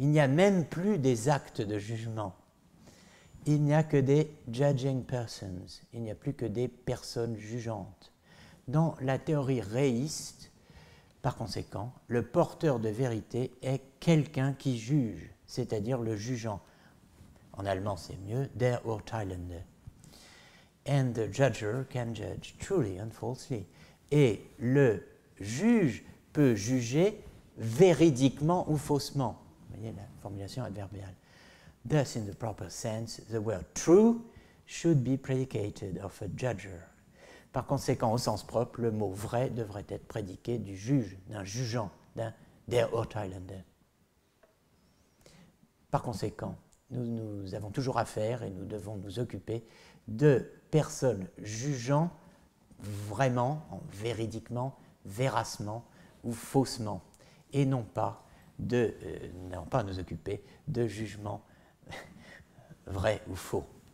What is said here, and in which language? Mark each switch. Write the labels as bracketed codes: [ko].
[fr] Il n'y a même plus des actes de jugement. Il n'y a que des [en] judging persons. [fr] Il n'y a plus que des personnes jugeantes. Dans la théorie réiste, par conséquent, le porteur de vérité est quelqu'un qui juge, c'est-à-dire le jugeant. En allemand, c'est mieux, [de] der Urteilende. [en] And the judger can judge truly and falsely. [fr] Et le juge peut juger véridiquement ou faussement. La formulation adverbiale. [en] Thus, in the proper sense, the word true should be predicated of a judger. [fr] Par conséquent, au sens propre, le mot vrai devrait être prédiqué du juge, d'un jugeant, d'un [de] der Urteilender. [fr] Par conséquent, nous avons toujours affaire et nous devons nous occuper de personnes jugeant vraiment, véridiquement, véracement ou faussement, et non pas n'allons pas nous occuper de jugements vrais ou faux.